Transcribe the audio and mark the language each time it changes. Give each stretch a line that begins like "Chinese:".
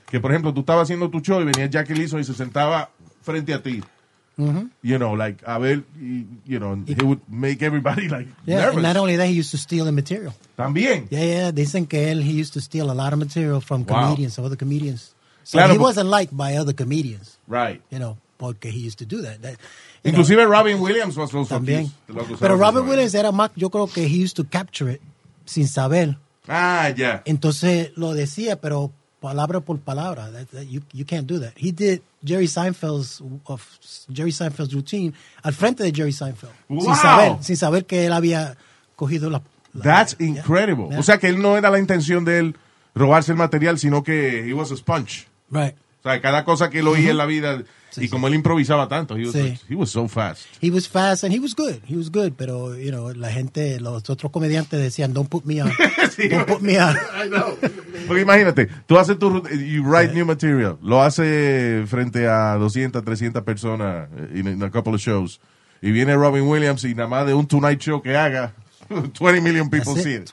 Spanish: Que, por ejemplo, tú estabas haciendo tu show y venía Jackie Gleason y se sentaba frente a ti. Mm-hmm.
English: You know, like,
Spanish: a ver,
English: you know, he would make everybody, like, yeah, nervous. And not only that, he used to steal the material.
Spanish: También.
English: Yeah, yeah,
Spanish: dicen que él,
English: he used to steal a lot of material from comedians, wow. Other comedians. So
Spanish: claro,
English: he wasn't liked by other comedians. Right. You know,
Spanish: porque
English: he used to do that. Inclusive Robin Williams was also
Spanish: también. Pero Robin Williams era más, yo creo que
English: he used to capture it
Spanish: sin saber.
English: Ah, yeah.
Spanish: Entonces lo decía, pero palabra por palabra,
English: you can't do that. He did Jerry Seinfeld's routine
Spanish: al frente de
English: Jerry Seinfeld. Wow.
Spanish: Sin saber que él había cogido la...
English: That's incredible.
Spanish: Yeah. O sea, que él no era la intención de él robarse el material, sino que
English: he was a sponge. Right.
Spanish: O sea, cada cosa que él oía en la vida, sí, y como él improvisaba tanto,
English: he was so fast. He was fast and he was good,
Spanish: pero,
English: you know,
Spanish: la gente, los otros comediantes decían,
English: don't put me on,
Spanish: sí,
English: don't put me on. I know.
Spanish: Porque imagínate, tú haces tu,
English: you write new material,
Spanish: lo hace frente a 200, 300 personas
English: in a couple of shows,
Spanish: y viene Robin Williams y nada más de un Tonight Show que haga,
English: 20 million people see it.